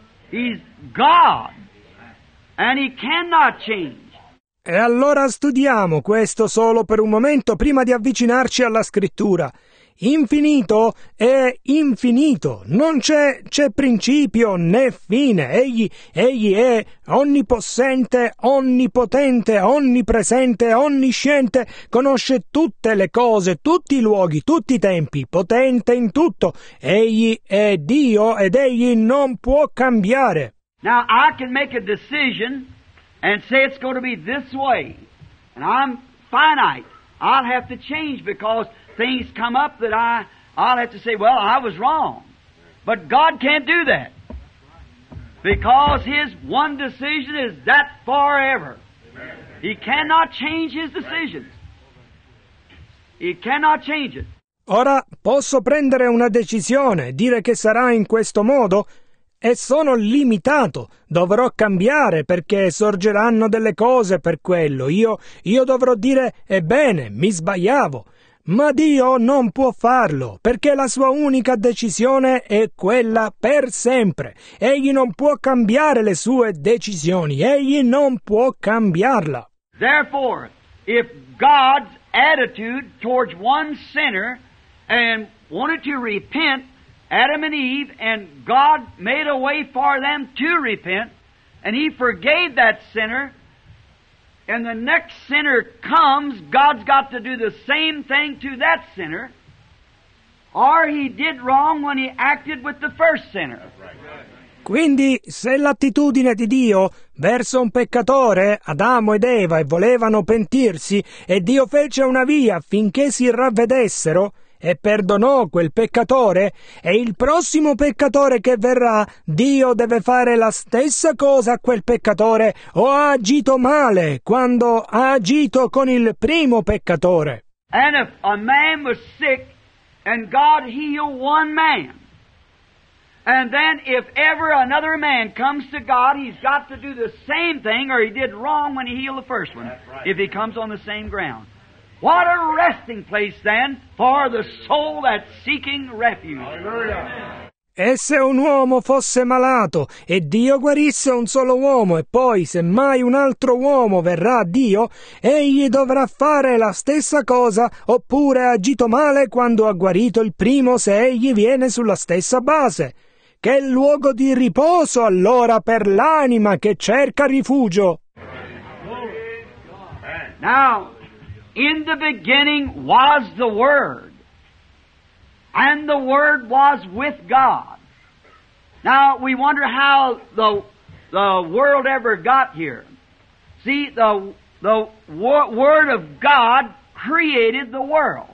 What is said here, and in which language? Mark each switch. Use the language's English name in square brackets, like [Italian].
[English] He's God. And He cannot change. [Italian] E allora studiamo questo solo per un momento prima di avvicinarci alla scrittura. Infinito è infinito, non c'è principio né fine. Egli è onnipossente, onnipotente, onnipresente, onnisciente, conosce tutte le cose, tutti i luoghi, tutti i tempi, potente in tutto. Egli è Dio ed egli non può cambiare. [English] Now I can make a decision and say it's going to be this way, and I'm finite. I'll have to change because things come up that I'll have to say, well, I was wrong. But God can't do that because His one decision is that forever. Amen. He cannot change His decisions. He cannot change it. [Italian] Ora posso prendere una decisione, dire che sarà in questo modo? E sono limitato, dovrò cambiare perché sorgeranno delle cose per quello. Io dovrò dire, ebbene, mi sbagliavo. Ma Dio non può farlo, perché la sua unica decisione è quella per sempre. Egli non può cambiare le sue decisioni, egli non può cambiarla. [English] Therefore, if God's attitude towards one sinner and wanted to repent, Adam and Eve, and God made a way for them to repent, and He forgave that sinner, and the next sinner comes, God's got to do the same thing to that sinner, or He did wrong when He acted with the first sinner. [Italian] Quindi, se l'attitudine di Dio verso un peccatore, Adamo ed Eva, e volevano pentirsi, e Dio fece una via finché si ravvedessero, e perdonò quel peccatore, e il prossimo peccatore che verrà, Dio deve fare la stessa cosa a quel peccatore, o ha agito male quando ha agito con il primo peccatore. [English] And if a man was sick, and God healed one man, and then if ever another man comes to God, he's got to do the same thing, or he did wrong when he healed the first one, right. If he comes on the same ground. What a resting place then for the soul that's seeking refuge. [Italian] E se un uomo fosse malato e Dio guarisse un solo uomo e poi se mai un altro uomo verrà a Dio, egli dovrà fare la stessa cosa oppure ha agito male quando ha guarito il primo se egli viene sulla stessa base. Che luogo di riposo allora per l'anima che cerca rifugio. [English] Now, in the beginning was the Word, and the Word was with God. Now, we wonder how the world ever got here. See, the Word of God created the world.